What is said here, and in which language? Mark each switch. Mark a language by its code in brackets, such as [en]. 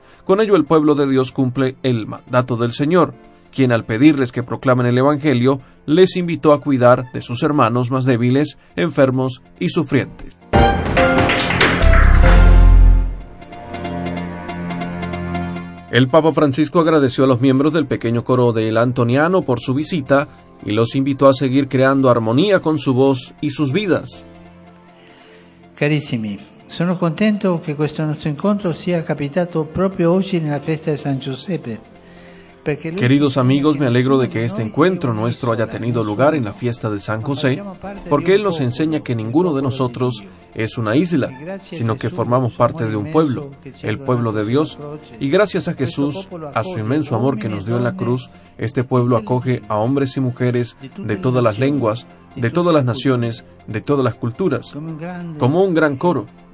[es] Con ello, el pueblo de Dios cumple el mandato del Señor, quien al pedirles que proclamen el Evangelio, les invitó a cuidar de sus hermanos más débiles, enfermos y sufrientes. El Papa Francisco agradeció a los miembros del pequeño coro del Antoniano por su visita y los invitó a seguir creando armonía con su voz y sus vidas. [it] Carissimi, sono contento che questo nostro incontro sia capitato proprio oggi nella festa di San Giuseppe. [es] Queridos amigos, me alegro de que este encuentro nuestro haya tenido lugar en la fiesta de San José, porque él nos enseña que ninguno de nosotros es una isla, sino que formamos parte de un pueblo, el pueblo de Dios, y gracias a Jesús, a su inmenso amor que nos dio en la cruz, este pueblo acoge a hombres y mujeres de todas las lenguas, de todas las naciones, de todas las culturas, como un gran coro.